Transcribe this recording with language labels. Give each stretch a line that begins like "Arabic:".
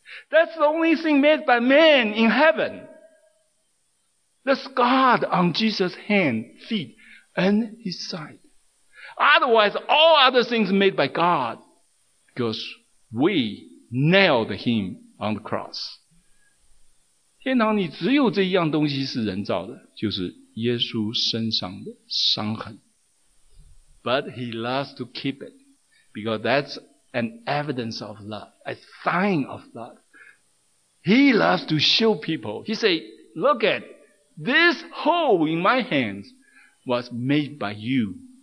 English: That's the only thing made by man in heaven. The scar on Jesus' hand, feet, and his side. Otherwise, all other things made by God, because we nailed him on the cross.
Chinese: 天堂里只有这一样东西是人造的，就是耶稣身上的伤痕。
English: But he loves to keep it because that's an evidence of love, a sign of love. He loves to show people. He said, look at this hole in my hands was made by you.